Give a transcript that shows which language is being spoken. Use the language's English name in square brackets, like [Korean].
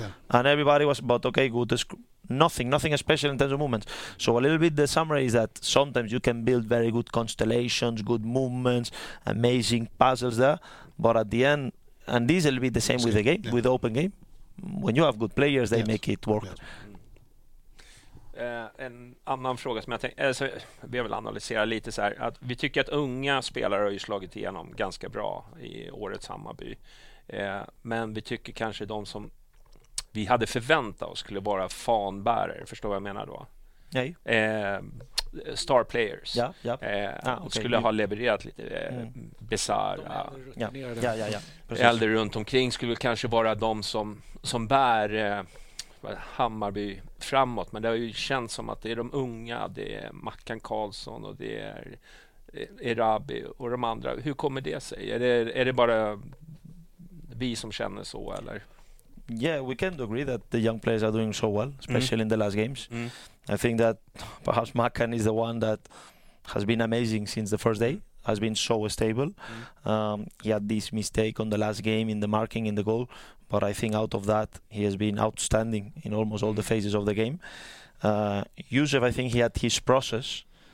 [English] And everybody was, but okay, good. Nothing special in terms of movements. So a little bit the summary is that sometimes you can build very good constellations, good movements, amazing puzzles there. But at the end, and this will be the same with the game, with the open game. When you have good players, they make it work. [Swedish] En annan fråga som jag tänkte, alltså, vi har väl analyserat lite så här, att vi tycker att unga spelare har ju slagit igenom ganska bra i årets Hammarby, men vi tycker kanske de som vi hade förväntat oss skulle vara fanbärare, förstår vad jag menar då? Nej. [English] Star players [Swedish] skulle ha levererat lite bizarra äldre runt omkring skulle kanske vara de som bär Hammarby framåt, men det har ju känts som att det är de unga, det är Mackan Karlsson och det är Erabi och de andra. Hur kommer det sig? Är det bara vi som känner så, eller? [English] Yeah, we can agree that the young players are doing so well, especially in the last games. I think that perhaps Mackan is the one that has been amazing since the first day, has been so stable. He had this mistake on the last game in the marking, in the goal. But I think out of that, he has been outstanding in almost all the phases of the game. Yusuf, I think he had his process.